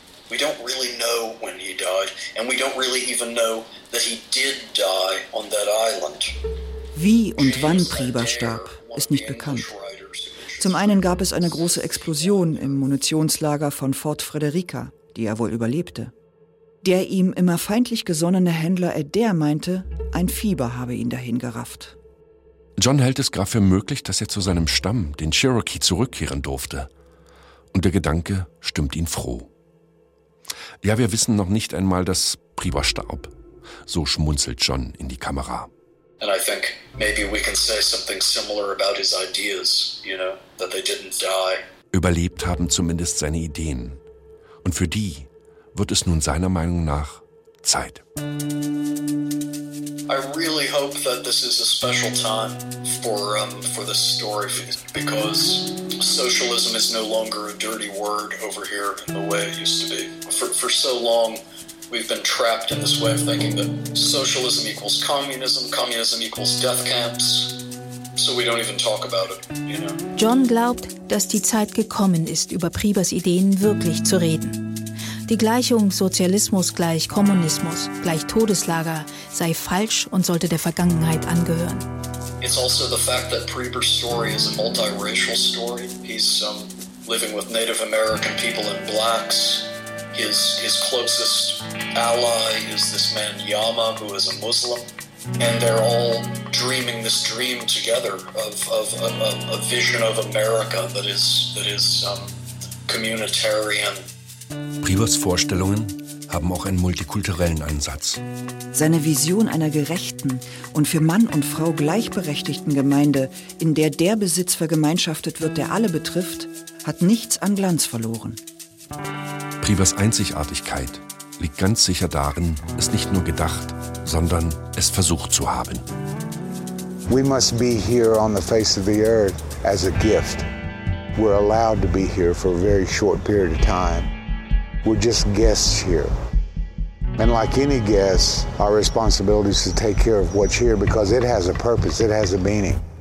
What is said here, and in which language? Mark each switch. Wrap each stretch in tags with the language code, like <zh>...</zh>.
<en>We don't really know when he died, and we don't really even know that he did die on that island.</en> <de>Wie und wann Prieber starb, ist nicht bekannt. Zum einen gab es eine große Explosion im Munitionslager von Fort Frederica, die er wohl überlebte. Der ihm immer feindlich gesonnene Händler Adair meinte, ein Fieber habe ihn dahin gerafft. John hält es gar für möglich, dass er zu seinem Stamm, den Cherokee, zurückkehren durfte. Und der Gedanke stimmt ihn froh. Ja, wir wissen noch nicht einmal, dass Prieber starb. So schmunzelt John in die Kamera.</de> <en>And I think maybe we can say something similar about his ideas, you know, that they didn't die.</en> <de>Überlebt haben zumindest seine Ideen. Und für die wird es nun seiner Meinung nach Zeit.</de> <en>I really hope that this is a special time for this story, because socialism is no longer a dirty word over here in the way it used to be. For so long, we've been trapped in this way of thinking that socialism equals communism, communism equals death camps, so we don't even talk about it, you know.</en> <de>John glaubt, dass die Zeit gekommen ist, über Priebers Ideen wirklich zu reden. Die Gleichung Sozialismus gleich Kommunismus gleich Todeslager sei falsch und sollte der Vergangenheit angehören.</de> <en>It's also the fact that Prieber's story is a multiracial story. He's living with Native American people and blacks. His closest ally is this man Yama, who is a Muslim, and they're all dreaming this dream together of a vision of America that is communitarian.</en> <de>Prievers Vorstellungen haben auch einen multikulturellen Ansatz. Seine Vision einer gerechten und für Mann und Frau gleichberechtigten Gemeinde, in der Besitz vergemeinschaftet wird, der alle betrifft, hat nichts an Glanz verloren. Prievers Einzigartigkeit liegt ganz sicher darin, es nicht nur gedacht, sondern es versucht zu haben.</de> <en>We must be here on the face of the earth as a gift. We're allowed to be here for a very short period of time. We're just guests here. And like any guest, our responsibility is to take care of what's here, because it has a purpose, it has a meaning.</en>